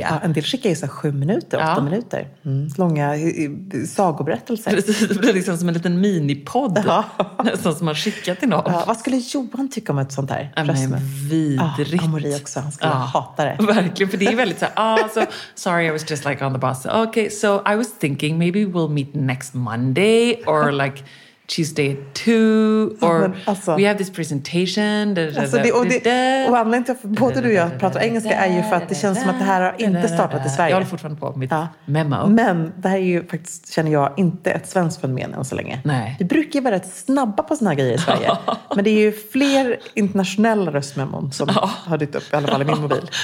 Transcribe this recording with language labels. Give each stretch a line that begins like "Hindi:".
Swedish: Ja, en del skickar ju så 7 minuter, 8 minuter. Mm. Långa sagoberättelser. Det blir liksom som en liten minipodd som man skickar till någon. Ja, vad skulle Johan tycka om ett sånt här? Nej, men vidrigt. Amori också, han skulle hata det. Verkligen, för det är väldigt så här,
English: so, sorry, I was just like on the bus. Okay, so I was thinking maybe we'll meet next Monday or like... Tuesday 2, or
Swedish: men, alltså,
English: we have this presentation.
Swedish: Och anledningen till att både du och jag pratar engelska är ju för att det känns som att det här har inte startat i Sverige. Jag håller fortfarande på mitt memo. Men det här är ju faktiskt, känner jag, inte ett svenskt fenomen än så länge. Nej. Vi brukar ju vara rätt snabba på såna här grejer i Sverige. Men det är ju fler internationella röstmemon som har dykt upp, i alla fall i min mobil.